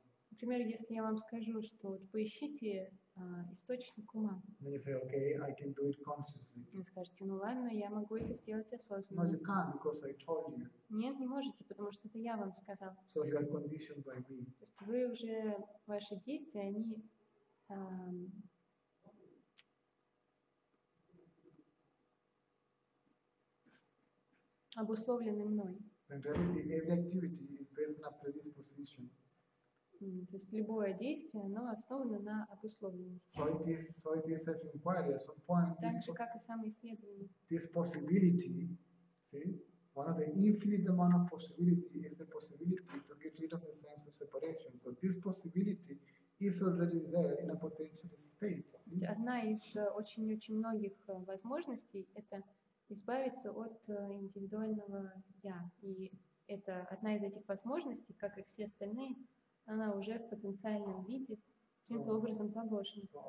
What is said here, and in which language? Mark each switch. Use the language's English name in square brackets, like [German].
[Russian] Например, если я вам скажу, что вот поищите источник ума. [English] Then you say, okay, I can do it consciously. [Russian] Вы скажете, ну ладно, я могу это сделать осознанно. [English] No, you can't, because I told you. [Russian] Нет, не можете, потому что это я вам сказал. [English] So you are conditioned by me. [Russian] То есть вы уже, ваши действия, они обусловлены мной. [English] In reality, every activity is based on a predisposition. [Russian] То есть любое действие, оно основано на обусловленности. [English] So it is, self-inquiry at some point. [Russian] Так же, как и самоисследование. [English] This possibility, see, one of the infinite amount of possibility is the possibility to get rid of the sense of separation. So this possibility is already there in a potential state. [Russian] То есть одна из очень-очень многих возможностей – это избавиться от индивидуального «я». И это одна из этих возможностей, как и все остальные, она уже в потенциальном виде каким-то образом заложена.